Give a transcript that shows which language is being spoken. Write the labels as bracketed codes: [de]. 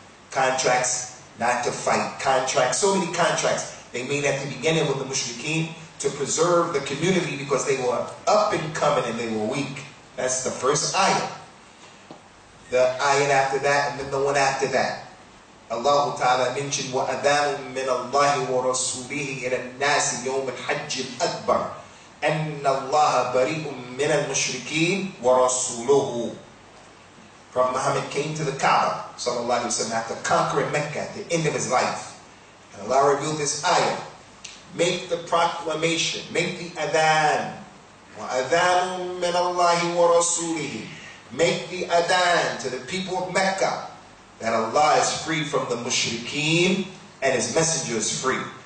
[en] Contracts not to fight. Contracts, so many contracts. They made at the beginning with the mushrikeen to preserve the community because they were up and coming and they were weak. That's the first ayah. The ayah after that and then the one after that. Allah Ta'ala mentioned, [ar] وَأَذَانٌ مِّنَ اللَّهِ وَرَسُولِهِ إِلَى النَّاسِ يَوْمَ الْحَجِّ الْأَكْبَرِ أَنَّ اللَّهَ بَرِيءٌ مِّنَ الْمُشْرِكِينَ وَرَسُولُهُ. [en] Prophet Muhammad came to the Kaaba, sallallahu alayhi wa sallam, after conquering Mecca at the end of his life. And Allah revealed this ayah. Make the proclamation, make the adhan. [ar] وَأَذَانٌ مِّنَ اللَّهِ وَرَسُولِهِ. [en] Make the adhan to the people of Mecca that Allah is free from the mushrikeen and His Messenger is free.